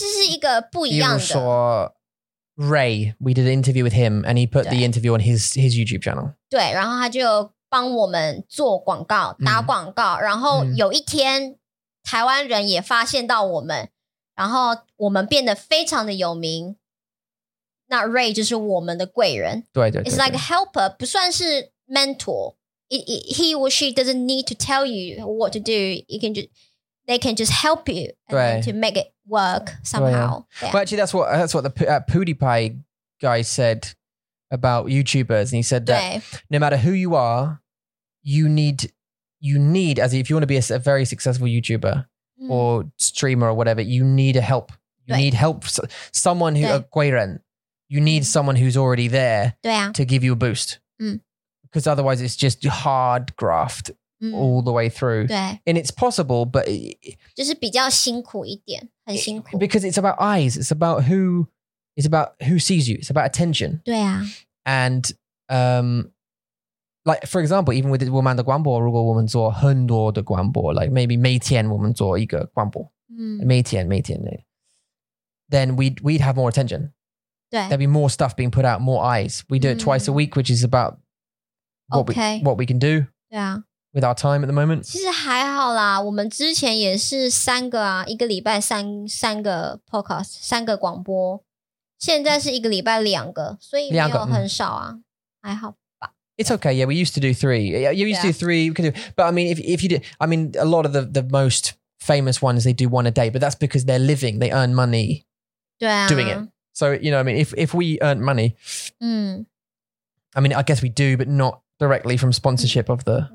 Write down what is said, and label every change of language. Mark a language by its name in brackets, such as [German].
[Chinese] 这是一个不一样的。比如说, [English] Ray, we did an interview with him and he put the interview on his YouTube channel. [Chinese] 对,然后他就帮我们做广告,打广告, 然后有一天台湾人也发现到我们, 然后我们变得非常的有名, [English] Not Ray, [Chinese] 就是我们的贵人。对对对对。 [English] It's like a helper, [Chinese] 不算是 [English] mentor. He or she doesn't need to tell you what to do. They can just help you and to make it work somehow. Well, actually, that's what the PewDiePie guy said about YouTubers. And he said that no matter who you are, you need as if you want to be a very successful YouTuber or streamer or whatever, you need a help. You need help. Someone who, a 贵人, you need someone who's already there to give you a boost. Because otherwise it's just hard graft. All the way through. And it's possible, but... [Chinese] 就是比较辛苦一点, 很辛苦。 [English] Because it's about eyes. It's about who sees you. It's about attention. [Chinese] 对啊。 [English] And, like, for example, even with [Chinese] 我们的广播, 如果我们做很多的广播, [English] like maybe [Chinese] 每天我们做一个广播, 每天, [English] then we'd have more attention. [Chinese] 对。 [English] There'd be more stuff being put out, more eyes. We do it twice a week, which is about what we can do. [Chinese] 对啊。 [English] With our time at the moment? [Chinese] 其实还好啦, 我们之前也是三个啊, 一个礼拜三个 podcast, 三个广播, 现在是一个礼拜两个, 所以没有很少啊, 还好吧。 [English] It's okay, yeah, we used to do three. Yeah, you used to do three, we could do, but I mean, if you did, I mean, a lot of the most famous ones, they do one a day, but that's because they're living, they earn money doing it. So, you know, I mean, if we earn money, I mean, I guess we do, but not, directly from sponsorship of the...